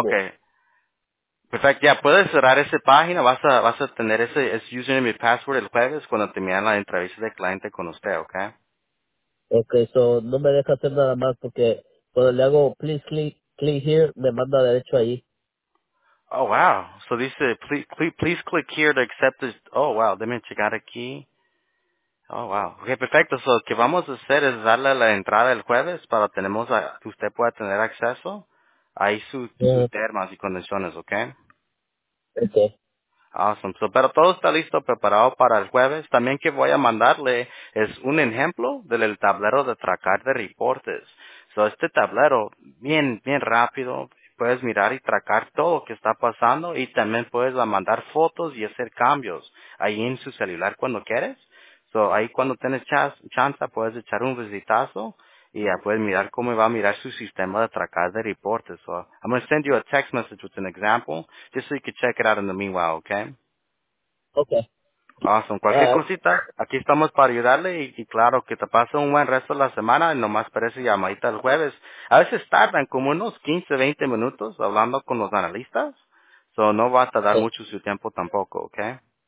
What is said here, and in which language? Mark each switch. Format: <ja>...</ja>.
<es>Okay. Perfecto. Ya, puedes cerrar esa página. Vas a tener ese</es> <en>username and password</en> <es>el jueves cuando terminan la entrevista del cliente con usted, ¿ok? Okay, so no me deja hacer nada más porque cuando le hago</es> <en>please click here,</en> <es>me manda derecho ahí.</es> <en>Oh, wow. So, dice, please click here to accept this. Oh, wow.</en> <es>Déjame checar aquí. Oh, wow. Okay, perfecto. So, lo que vamos a hacer es darle la entrada el jueves para que usted pueda tener acceso a sus termas y condiciones, ¿ok?</es> <en>Okay. Awesome.</en> <es>So, pero todo está listo, preparado para el jueves. También que voy a mandarle es un ejemplo del tablero de tracar de reportes. So, este tablero, bien, bien rápido, puedes mirar y tracar todo lo que está pasando y también puedes mandar fotos y hacer cambios ahí en su celular cuando quieres. So, ahí cuando tienes chance, puedes echar un visitazo y ya puedes mirar cómo va a mirar su sistema de tracar de reportes.</es> <en>So, I'm going to send you a text message with an example, just so you can check it out in the meanwhile, okay? Okay. Awesome.</en> <es>Cualquier cosita, aquí estamos para ayudarle y claro, que te pase un buen resto de la semana y nomás parece llamadita el jueves. A veces tardan como unos 15, 20 minutos hablando con los analistas. So, no va a tardar mucho su tiempo tampoco, okay?</es>